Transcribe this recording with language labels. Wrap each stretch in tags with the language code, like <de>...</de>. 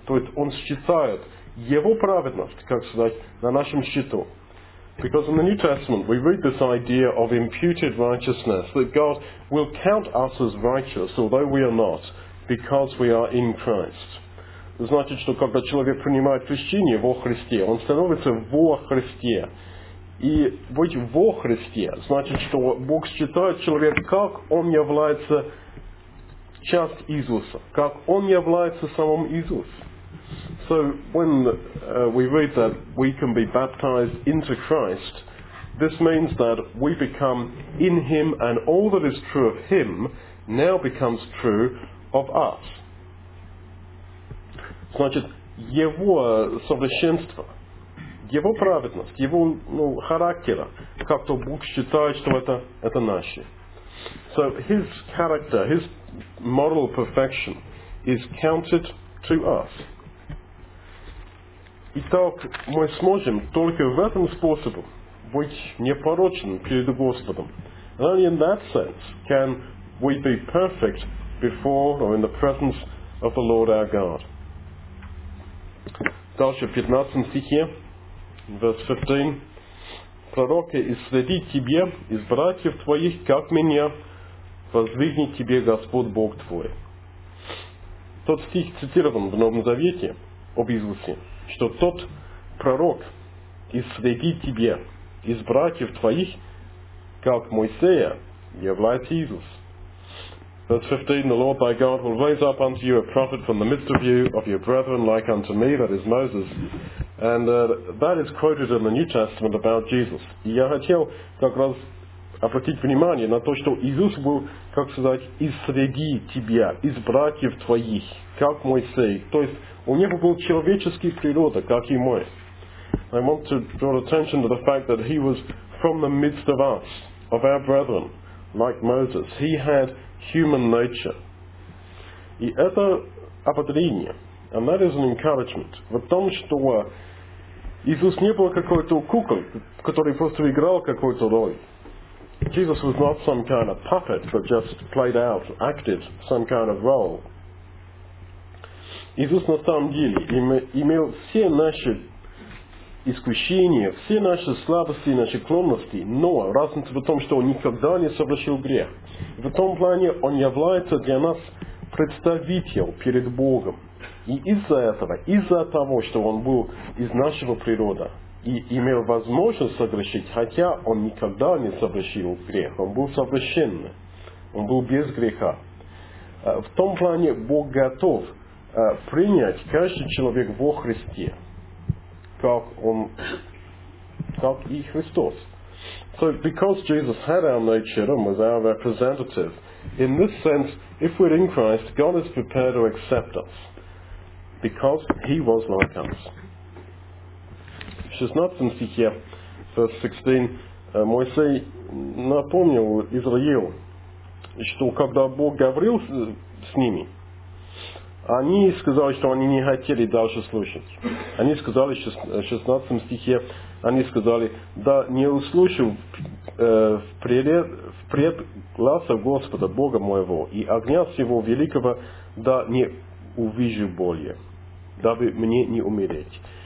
<ru>То есть Он считает Его праведность, как сказать, на нашем счету.</ru> <en>Because in the New Testament we read this idea of imputed righteousness, that God will count us as righteous, although we are not, because we are in Christ.</en> <ru>Значит, что когда человек принимает крещение во Христе, он становится во Христе. И быть во Христе значит, что Бог считает человек, как он является часть Иисуса, как он является самым Иисусом.</ru> <en>So when we read that we can be baptized into Christ, this means that we become in Him, and all that is true of Him now becomes true of us.</en> <ru>Значит, Его совершенство, Его праведность, Его характера, как-то Бог считает, что это наше.</ru> <en>So His character, His moral perfection is counted to us.</en> <ru>Итак, мы сможем только в этом способе быть непорочным перед Господом.</ru> <en>And only in that sense can we be perfect before or in the presence of the Lord our God.</en> <ru>Дальше, 15 стихе,</ru> <en>verse 15.</en> <ru>Пророки из среди тебе, из братьев твоих, как меня, воздвигнет тебе Господь Бог твой. Тот стих цитирован в Новом Завете об Иисусе. Что тот пророк из среди тебе, из братьев твоих, как Моисея, является Иисус.</ru> <en>Verse 15, the Lord thy God will raise up unto you a prophet from the midst of you, of your brethren, like unto me, that is Moses. And that is quoted in the New Testament about Jesus.</en> <ru>И я хотел как раз обратить внимание на то, что Иисус был, как сказать, из среди тебя, из братьев твоих, как Моисей. То есть у него был человеческий природа, как и мой.</ru> <en>I want to draw attention to the fact that he was from the midst of us, of our brethren, like Moses. He had human nature.</en> <ru>И это ободрение,</ru> <en>and that is an encouragement,</en> <ru>в том, что Иисус не был какой-то куклой, который просто играл какую-то роль.</ru> <en>Jesus was not some kind of puppet, but just played out, acted some kind of role.</en> <ru>Иисус на самом деле имел все наши искушения, все наши слабости и наши склонности, но разница в том, что Он никогда не совершил грех. В том плане Он является для нас представителем перед Богом. И из-за того, что он был из нашего природа и имел возможность согрешить, хотя он никогда не согрешил грех, он был совершенный, он был без греха. В том плане Бог готов принять каждый человек во Христе, как он, как и Христос.</ru> <en>So because Jesus had our nature and was our representative, in this sense, if we're in Christ, God is prepared to accept us because he was like us.</en> <ru>16 стихе,</ru> <en>verse 16,</en> <ru>Моисей напомнил Израилу, что когда Бог говорил с ними, они сказали, что они не хотели дальше слушать. Они сказали, в 16 стихе, они сказали, да не услышим впред гласа Господа, Бога моего, и огня всего великого, да не увижу более, дабы мне не умереть.</ru>